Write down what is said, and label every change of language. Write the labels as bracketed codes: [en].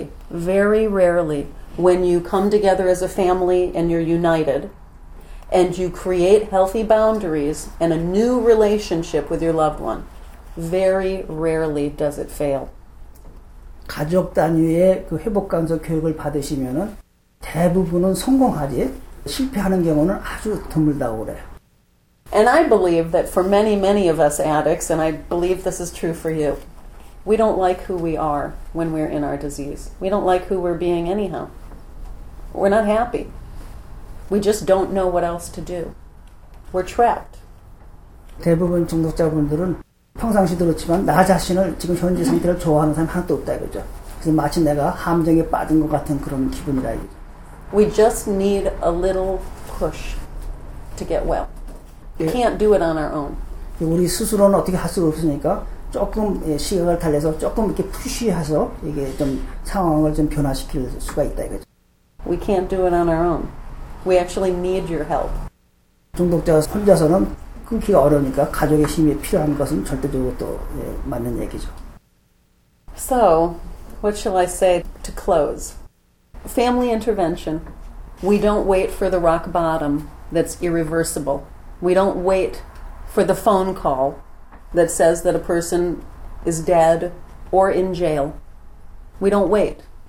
[en] Very rarely, when you come together as a family and you're united and you create healthy boundaries and a new relationship with your loved one, very rarely does it fail. [ko] 가족 단위의 그 회복 간섭 교육을 받으시면은 대부분은 성공하지 실패하는 경우는 아주 드물다고 그래요. [en] And I believe that for many, many of us addicts, and I believe this is true for you, we don't like who we are when we're in our disease. We don't like who we're being anyhow. We're not happy. We just don't know what else to do. We're trapped. [ko] 대부분 중독자분들은 평상시도 그렇지만 나 자신을 지금 현재 상태를 좋아하는 사람 하나도 없다 이거죠. 그래서 마치 내가 함정에 빠진 것 같은 그런 기분이다 이거죠. [en] We just need a little push to get well. We can't do it on our own. [ko] 우리 스스로는 어떻게 할 수가 없으니까 조금 시각을 달래서 조금 이렇게 푸시해서 이게 좀 상황을 좀 변화시킬 수가 있다 이거죠. [en] We can't do it on our own. We actually need your help. [ko] 중독자 혼자서는 끊기가 어려우니까 가족의 힘이 필요한 것은 절대적으로 또 예, 맞는 얘기죠. [en] So, what shall I say to close? Family intervention We don't wait for the rock bottom that's irreversible. We don't wait for the phone call that says that a person is dead or in jail. We don't wait.